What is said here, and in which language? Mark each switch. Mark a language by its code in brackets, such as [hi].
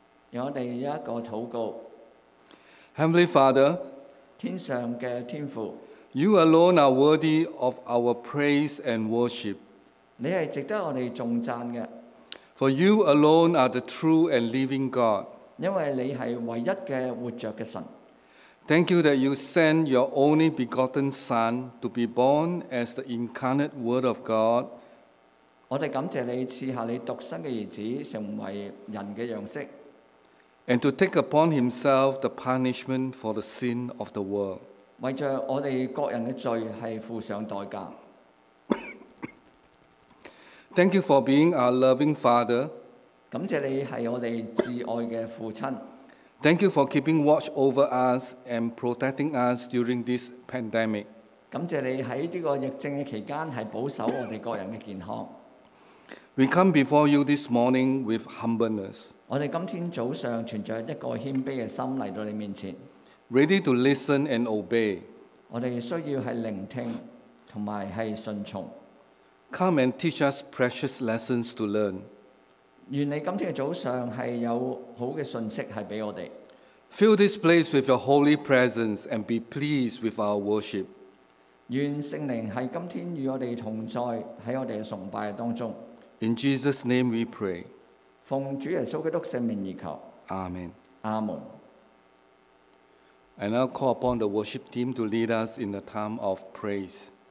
[zh] 让我们一个祷告。 [en] Heavenly Father, [zh] 天上的天父, [en] You alone are worthy of our praise and worship. [zh] 你是值得我们颂赞的。 [en] For you alone are the true and living God. [zh] 因为你是唯一的活着的神。 [en] Thank you that you sent your only begotten Son to be born as the incarnate Word of God. [zh] 我们感谢你赐下你独生的儿子成为人的样式。 [en] And to take upon himself the punishment for the sin of the world. [zh] 为着我们各人的罪是付上代价。 [en] Thank you for being our loving Father. [zh] 感谢你是我们至爱的父亲。 [en] Thank you for keeping watch over us and protecting us during this pandemic. [zh] 感谢你在这个疫症的期间是保守我们个人的健康。 [en] We come before you this morning with humbleness. [zh] 我们今天早上存着一个谦卑的心来到你面前。 [en] Ready to listen and obey. [zh] 我们需要是聆听和是顺从。 [en] Come and teach us precious lessons to learn. [zh] 愿你今天的早上是有好的信息是给我们。 [en] Fill this place with your holy presence and be pleased with our worship. [zh] 愿圣灵是今天与我们同在在我们的崇拜当中。 [en] In Jesus' name we pray. [zh] 奉主耶稣基督圣名而求。 [en] Amen. Amen. I now call upon the worship team to lead us in a time of praise.